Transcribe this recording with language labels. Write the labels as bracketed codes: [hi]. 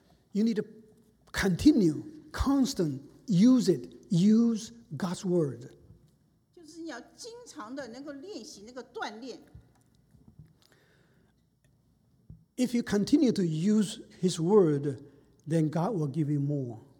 [en] You need to continue, constant, use it, use God's word. [zh] 就是你要经常的能够练习那个锻炼。 [en] If you continue to use His word, then God will give you more.